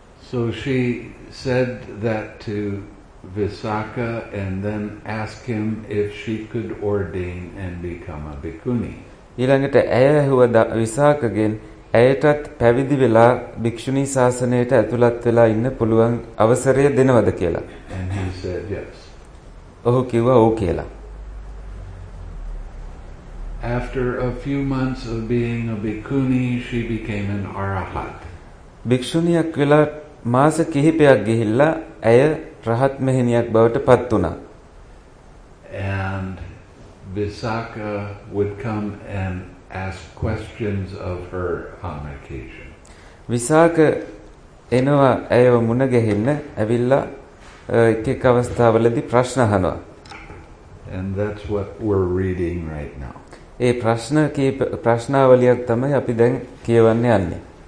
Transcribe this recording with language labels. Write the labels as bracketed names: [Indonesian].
[English] So she said that to Visakha and then asked him if she could ordain and become a bhikkhuni. [Sinhala] ඊළඟට ඇය හුව විසාකගෙන් ඇයටත් පැවිදි වෙලා භික්ෂුණී ශාසනයට ඇතුළත් වෙලා ඉන්න පුළුවන් අවසරය දෙනවද කියලා. [English] And he said yes. [Sinhala] ඔහු කිව්වා ඔව් කියලා. [English] After a few months of being a bhikkhuni, she became an arahat. [Sinhala] භික්ෂුණියක් වෙලා මාස කිහිපයක් ගිහිල්ලා ඇය රහත් මෙහෙණියක් බවට පත් වුණා. [English] And Visakha would come and ask questions of her on occasion. [Sinhala] Visakha එනවා ඇයව මුණ ගැහෙන්න ඇවිල්ලා එක එක අවස්ථාවලදී ප්‍රශ්න අහනවා. [English] And that's what we're reading right now. [Sinhala] ඒ ප්‍රශ්න කීප ප්‍රශ්නාවලියක් තමයි අපි දැන් කියවන්න යන්නේ.